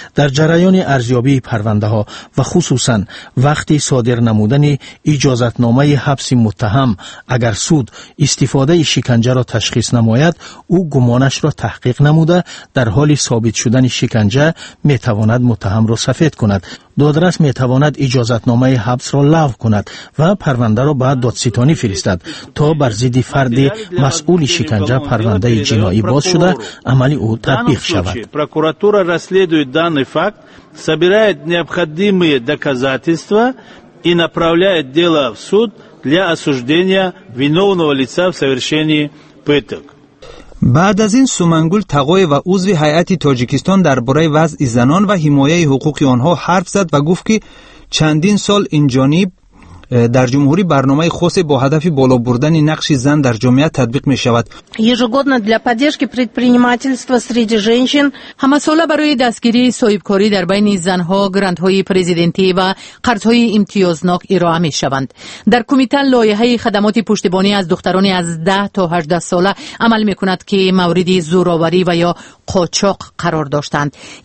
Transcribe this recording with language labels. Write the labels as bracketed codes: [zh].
[fa] در جریان ارزیابی پرونده ها و خصوصا وقتی صادر نمودن اجازت نامه حبس متهم، اگر سود استفاده شکنجه را تشخیص نماید، او گمانش را تحقیق نموده در حال ثابت شدن شکنجه می تواند متهم را سفید کند. دادرس می تواند اجازت نامه حبس را لغو کند و پرونده را به دادستانی فرستد تا بر ضد فرد مسئول شکنجه پرونده جنایی باز شده عملی او تطبیق شود. [ru] прокуратура расследует данный факт, собирает необходимые доказательства и направляет дело в суд для осуждения виновного лица в совершении пыток. [fa] بعد از این سومنگول تقای و عضو هیئت تاجیکستان درباره وضع زنان و حمایت حقوق آنها حرف زد و گفت که چندین سال این جانب در جمهوری برنامه خاص با هدف بالا بردن نقش زن در جامعه تطبیق می شود. [ru] ежегодно для поддержки предпринимательства среди женщин. [fa] همه ساله برای دستگیری صاحبکاری در بین زنها گرانت های پرزیدنتی و قرض های امتیازناک ارائه می شوند. در کمیته لایحه خدمات پشتیبانی از دختران از 10 تا 18 ساله عمل می کند که مورد زورآوری و یا قاچاق قرار داشتند.